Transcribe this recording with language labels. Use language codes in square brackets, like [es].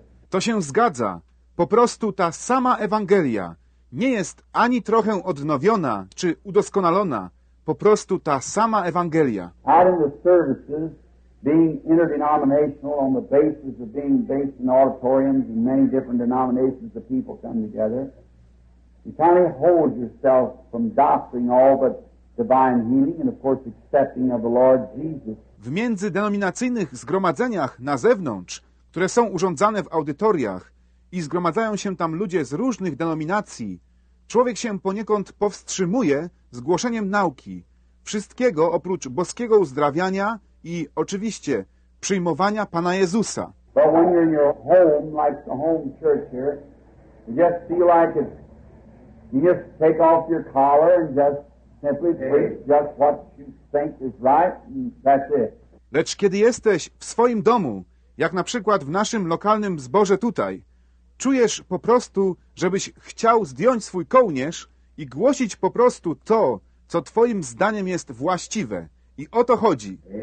[pl] To się zgadza. Po prostu ta sama Ewangelia nie jest ani trochę odnowiona czy udoskonalona. Po prostu ta sama Ewangelia. [en] Out of the services, being interdenominational on the basis of being based in auditoriums and many different denominations of people come together, you kind of hold yourself from doctoring all but divine healing and of course accepting of the Lord Jesus. [pl] W międzydenominacyjnych zgromadzeniach na zewnątrz, które są urządzane w audytoriach i zgromadzają się tam ludzie z różnych denominacji, człowiek się poniekąd powstrzymuje z głoszeniem nauki wszystkiego oprócz boskiego uzdrawiania i oczywiście przyjmowania Pana Jezusa. [en] But when you're in your home, like the home church here, you just feel like it's, you just take off your collar and just simply preach just what you think is right, and that's it. [pl] Lecz kiedy jesteś w swoim domu, jak na przykład w naszym lokalnym zborze tutaj, czujesz po prostu, żebyś chciał zdjąć swój kołnierz i głosić po prostu to, co twoim zdaniem jest właściwe. I o to chodzi.